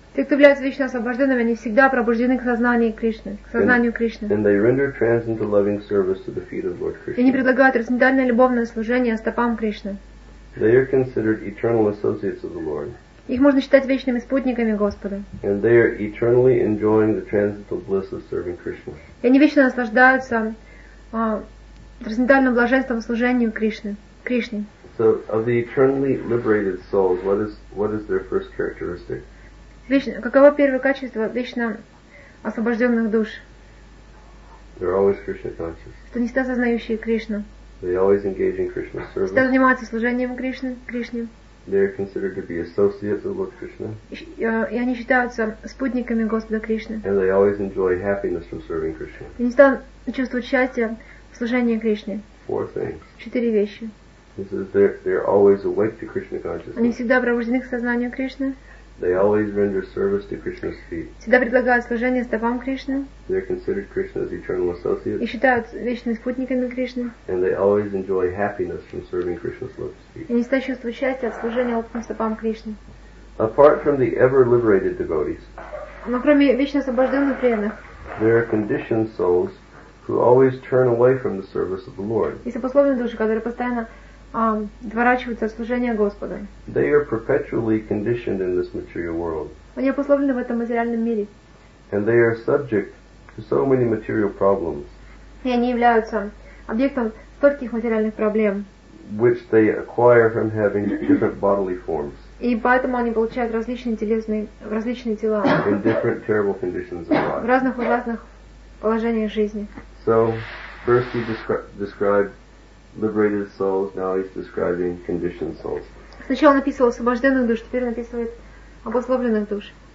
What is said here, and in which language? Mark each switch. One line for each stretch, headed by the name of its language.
Russian: Те, кто являются вечно освобожденными, они всегда пробуждены к сознанию Кришны, к сознанию Кришны.
English: And they render transcendental loving service to the feet of Lord Krishna.
Russian: И они предлагают трансцендентальное любовное служение стопам Кришны.
English: They are considered eternal associates of the Lord.
Russian: Их можно считать вечными спутниками Господа.
English: And they are eternally enjoying the transcendental bliss of serving Krishna.
Russian: И они вечно наслаждаются трансцендентальным блаженством служения Кришне.
English: So of the eternally liberated souls, what is their first characteristic?
Russian: Каково первое качество вечно освобожденных душ?
English: They're always Krishna conscious.
Russian: Это не всегда сознающие Кришну.
English: They always engage in Krishna service.
Russian: Всегда занимаются служением Кришне.
English: They are considered to be associates of Lord Krishna.
Russian: И они считаются спутниками Господа Кришны.
English: And they always enjoy happiness from serving Krishna.
Russian: И они всегда чувствуют счастье в служении Кришне.
English: Four things.
Russian: Четыре вещи.
English: This is they're always awake to Krishna consciousness.
Russian: Они всегда пробуждены к сознанию Кришны.
English: They always render service to Krishna's feet.
Russian: Всегда предлагают служение стопам Кришны.
English: They are considered Krishna's eternal associates.
Russian: И считаются вечными спутниками Кришны.
English: And they always enjoy happiness from serving Krishna's lotus feet.
Russian: И они всегда чувствуют счастье от служения лотосным стопам Кришны.
English: Apart from the ever liberated devotees.
Russian: Но кроме вечно освобожденных преданных.
English: There are conditioned souls who always turn away from the service of the Lord.
Russian: И сопословные души, которые постоянно отворачиваются от служения Господа.
English: They are perpetually conditioned in this material world.
Russian: Они обусловлены в этом материальном мире.
English: And they are subject to so many material problems.
Russian: И они являются объектом стольких материальных проблем.
English: Which they acquire from having different bodily forms.
Russian: И поэтому они получают различные тела.
English: In different terrible conditions of life.
Russian: В разных ужасных положениях жизни.
English: So, first he described liberated souls, now he's describing conditioned souls.
Russian: Сначала написал освобожденных душ, теперь написывает обусловленных душ.